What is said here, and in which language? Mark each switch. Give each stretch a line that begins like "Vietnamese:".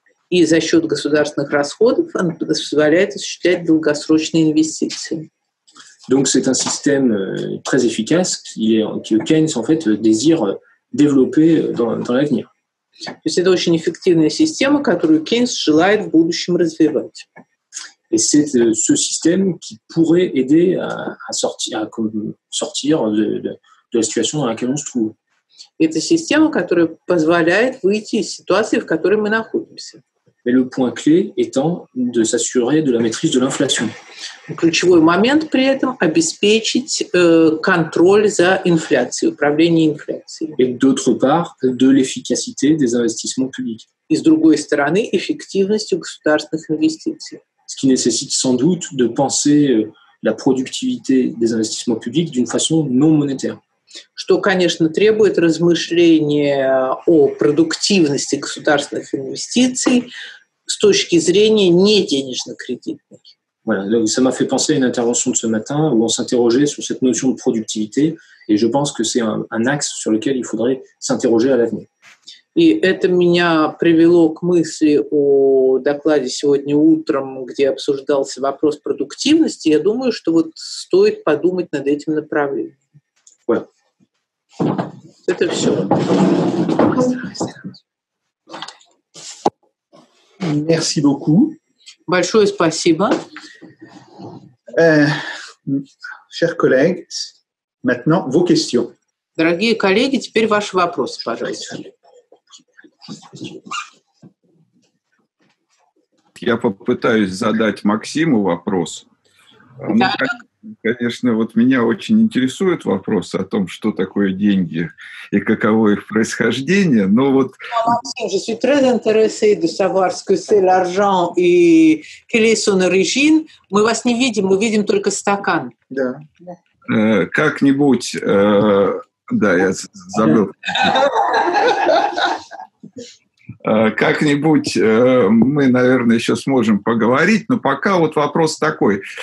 Russian: И за счет государственных расходов оно позволяет осуществлять долгосрочные инвестиции.
French: Donc c'est un système très efficace que Keynes en fait désire développer dans l'avenir.
Russian: То есть это очень эффективная система, которую Кейнс желает в будущем развивать.
French: Et c'est ce système qui pourrait aider à sortir de la situation dans laquelle on se trouve.
Russian: Это система, которая позволяет выйти из ситуации, в которой мы находимся.
French: Mais le point clé étant de s'assurer de la maîtrise de l'inflation.
Russian: Ключевой момент при этом обеспечить контроль за инфляцией, управление инфляцией.
French: Et d'autre part, de l'efficacité des investissements publics.
Russian: И с другой стороны, эффективностью государственных инвестиций.
French: Ce qui nécessite sans doute de penser la productivité des investissements publics d'une façon non monétaire.
Russian: что, конечно, требует размышления о продуктивности государственных инвестиций с точки зрения неденежно-кредитных.
French: Voilà, donc ça m'a fait penser à une intervention de ce matin où on s'interrogeait sur cette notion de productivité et je pense que c'est un axe sur lequel il faudrait s'interroger à l'avenir.
Russian: И это меня привело к мысли о докладе сегодня утром, где обсуждался вопрос продуктивности. Я думаю, что вот стоит подумать над этим направлением.
French: Voilà.
Russian: Это все.
French: Merci beaucoup.
Russian: Большое спасибо.
French: Chers collègues, maintenant vos questions.
Russian: Дорогие коллеги, теперь ваши вопросы, пожалуйста. Я попытаюсь задать Максиму вопрос. Да. Ну, конечно, вот меня очень интересует вопрос о том, что такое деньги и каково их происхождение, но вот...
French: Максим, je suis très intéressé de savoir ce que c'est l'argent и quelle est son origine.
Russian: Мы вас не видим, мы видим только стакан. Да. Как-нибудь... Да, я забыл. Как-нибудь мы, наверное, еще сможем поговорить, но пока вот вопрос такой.